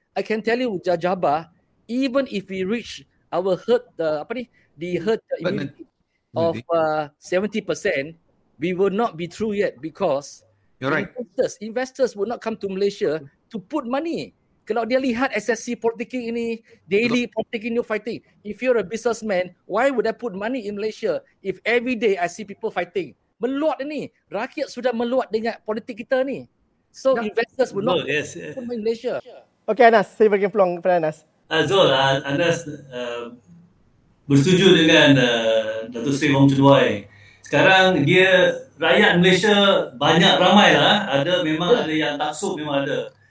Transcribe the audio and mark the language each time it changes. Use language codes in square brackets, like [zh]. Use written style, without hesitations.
[en] I can tell you, Ujah Jabah, even if we reach our herd immunity of 70%, we will not be through yet because investors will not come to Malaysia to put money. [ms] Kalau dia lihat SSC politik ini, [en] daily politik ini fighting. If you're a businessman, why would I put money in Malaysia if every day I see people fighting? [ms] Meluat ni. Rakyat sudah meluat dengan politik kita ni. [en] So, investors will not come in Malaysia. Okay, Anas. [ms] Saya bagi peluang kepada Anas. Zul, Anas bersetuju dengan Dato' Sri Wong Chun Wai. Sekarang dia, rakyat Malaysia banyak ramai lah. Ada yang tak sub, memang ada.